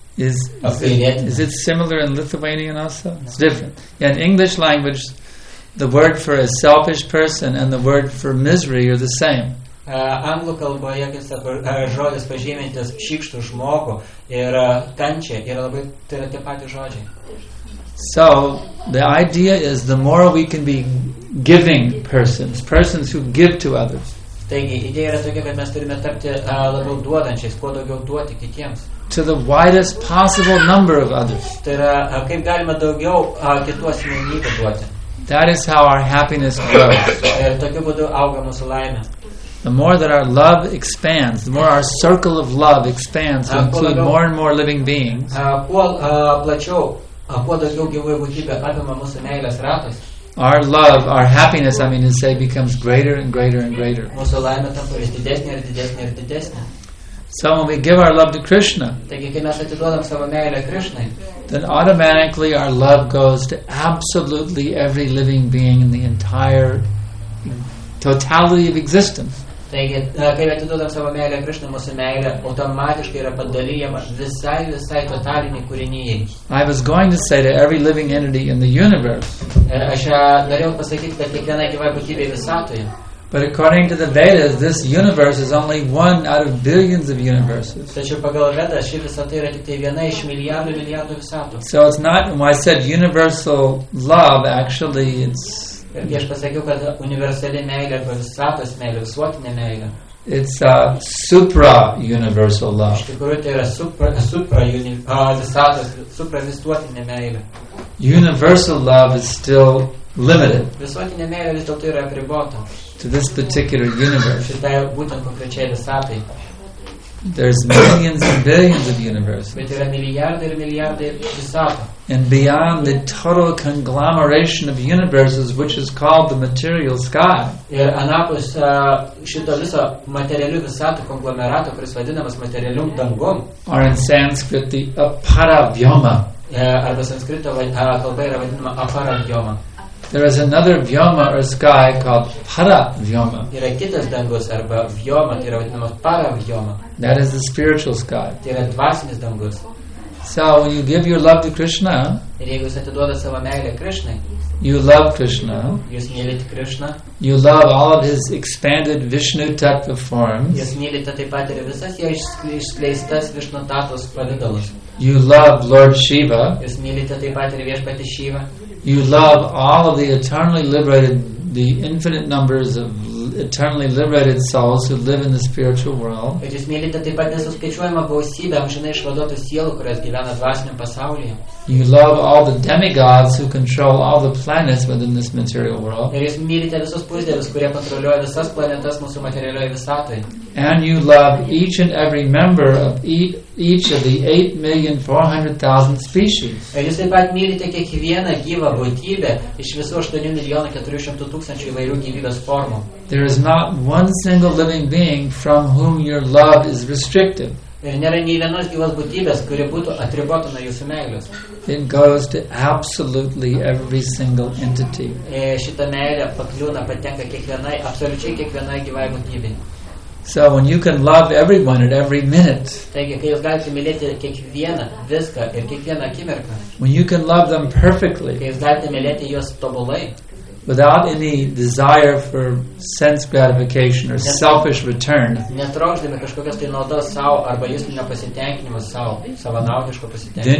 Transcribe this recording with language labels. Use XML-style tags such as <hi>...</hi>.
<en>Is it similar in Lithuanian also? It's different. In English language, the word for a selfish person and the word for misery are the same.</en> <lt>Anglų kalboje, kaip sako, žodis pažymintis šykštų žmogų ir kančia yra labai tai tie patys žodžiai.</lt> <en>So, the idea is the more we can be giving persons who give to others.</en> <lt>Taigi, idėja yra tokia, kad mes turime tapti labiau duodančiais, kuo daugiau duoti kitiems.</lt> <en>To the widest possible number of others.</en> <lt>Tai yra, kaip galima daugiau kitų asmenybių duoti.</lt> <en>That is how our happiness grows.</en> <lt>Ir tokiu būdu auga mūsų laimė.</lt> <en>The more that our love expands, the more our circle of love expands to include more and more living beings, our love, our happiness, I mean to say, becomes greater and greater and greater. So when we give our love to Krishna, then automatically our love goes to absolutely every living being in the entire totality of existence.</en> <lt>Taigi, kai atiduodam savo meilę Krishna, mūsų meilė automatiškai yra padalyjama visai totaliniai kūrinijai.</lt> <en>I was going to say to every living entity in the universe.</en> <lt>Aš norėjau pasakyti, kad kiekviena gyva būtybė visatoje.</lt> <en>But according to the Vedas, this universe is only one out of billions of universes.</en> <lt>Tačiau pagal Vedas, ši visata yra tik viena iš milijardų visatų.</lt> <en>So it's not, when I said universal love, actually it's</en> <lt>Irgi aš pasakiau, kad universali meilė arba visatos meilė, visuotinė meilė.</lt> <en>It's a supra-universal love.</en> <lt>Iš tikrųjų, tai yra supra-visuotinė meilė.</lt> <en>Universal love is still limited.</en> <lt>Visuotinė meilė vis dėlto yra apribota.</lt> <en>To this particular universe.</en> <lt>Šitai būtent konkrečiai visatai.</lt> <en>There's millions and billions of universes.</en> <lt>Bet yra miliardai ir miliardai visatų.</lt> <en>And beyond the total conglomeration of universes, which is called the material sky.</en> <lt>Ir anapus šito viso materialių visatų konglomerato, kuris vadinamas materialiu dangum.</lt> <en>Or in Sanskrit, the aparavyoma.</en> <lt>Arba sanskrito kalba yra vadinama aparavyoma.</lt> <en>There is another vyoma or sky called paravyoma.</en> <lt>Yra kitas dangus arba vyoma, tai yra vadinamas paravyoma.</lt> <en>That is the spiritual sky.</en> <lt>Tai yra dvasinis dangus.</lt> <en>So when you give your love to Krishna,</en> <lt>ir jeigu jūs atiduodat savo meilę Krishnai,</lt> <en>you love Krishna,</en> <lt>jūs mylite Krishna,</lt> <en>you love all of his expanded Vishnu tattva forms,</en> <lt>jūs mylite taip pat ir visas jo išskleistas Vishnu tattvos pavidalus,</lt> <en>you love Lord Shiva,</en> <lt>jūs mylite taip pat ir viešpatį Shiva,</lt> <en>you love all of the eternally liberated, the infinite numbers of eternally liberated souls who live in the spiritual world.</en> <lt>Ir jūs mylite taip pat nesuskaičiuojamą gausybę amžinai išvaduotų sielų, kurios gyvena dvasiniam pasaulyje.</lt> <en>You love all the demigods who control all the planets within this material world.</en> <lt>Ir jūs mylite visus pusdievius, kurie kontroliuoja visas planetas mūsų materialioje visatoje.</lt> <en>And you love each and every member of each of the 8,400,000 species.</en> <lt>Ir jūs taip pat mylite kiekvieną gyvą būtybę iš visų 8,400,000 įvairių gyvybės formų.</lt> <en>There is not one single living being from whom your love is restricted.</en> <lt>Ir nėra nei vienos gyvos būtybės, kuri būtų atribota nuo jūsų meilės.</lt> <en>It goes to absolutely every single entity.</en> <lt>Šita meilė pakliūna, patenka kiekvienai, absoliučiai kiekvienai gyvai būtybei.</lt> <en>So when you can love everyone at every minute.</en> <lt>Taigi, kai jūs galite mylėti kiekvieną viską ir kiekvieną akimirką.</lt> <en>When you can love them perfectly.</en> <lt>Kai jūs galite mylėti juos tobulai.</lt> <en>Without any desire for sense gratification or selfish return.</en> <lt>Netrokšdami kažkokios tai naudos sau arba jūsinio pasitenkinimo sau, savanaudiško pasitenkinimo.</lt>